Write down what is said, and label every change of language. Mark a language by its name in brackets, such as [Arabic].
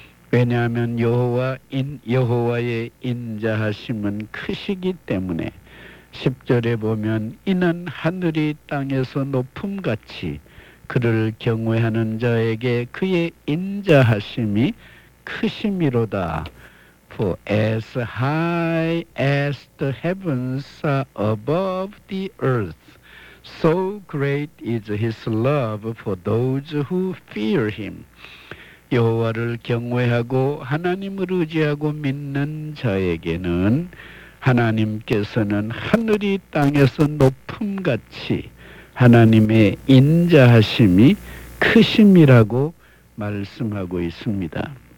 [Korean] 왜냐하면 여호와의 인자하심은 크시기 때문에 10절에 보면 이는 하늘이 땅에서 높음같이 그를 경외하는 자에게 그의 인자하심이 크심이로다. [English] For as high as the heavens are above the earth, so great is his love for those who fear him. [Korean] 여호와를 경외하고 하나님을 의지하고 믿는 자에게는 하나님께서는 하늘이 땅에서 높음같이 하나님의 인자하심이 크심이라고 말씀하고 있습니다.